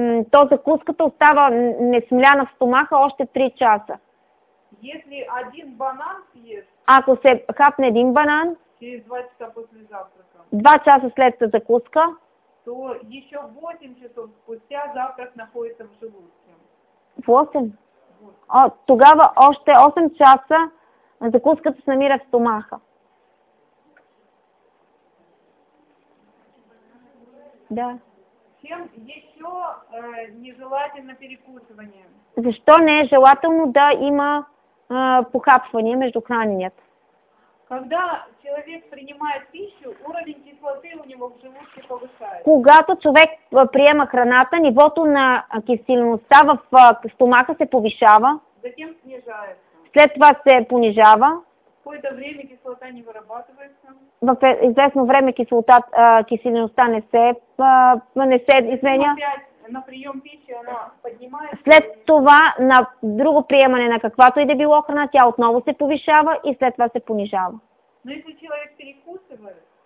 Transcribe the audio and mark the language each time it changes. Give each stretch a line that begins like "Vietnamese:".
Bulgarian: То закуската остава несмляна в стомаха още 3 часа.
Russian: Если один банан съест,
Bulgarian: ако се хапне един банан,
Russian: через 2 часа после завтрака,
Bulgarian: 2 часа след закуска,
Russian: то еще 8 часов спустя завтрак находится в желудке.
Bulgarian: 8? Тогава още 8 часа закуската се намира в стомаха. Да.
Russian: Чем еще нежелательно перекусывание?
Bulgarian: Защо не е желателно да има похапвания между храненията?
Russian: Когда человек принимает пищу, уровень кислоты у него в желудке повышается.
Bulgarian: Когато човек приема храната, нивото на киселинността в стомаха се повишава.
Russian: Затем снижается.
Bulgarian: След това се понижава.
Russian: Какое-то время кислота не вырабатывается.
Bulgarian: В известно време киселинността не се изменя.
Russian: На прием пищи она поднимается.
Bulgarian: След това на друго приемане на каквато и да било храна, тя отново се повишава и след това се понижава.
Russian: Но если человек перекусывает,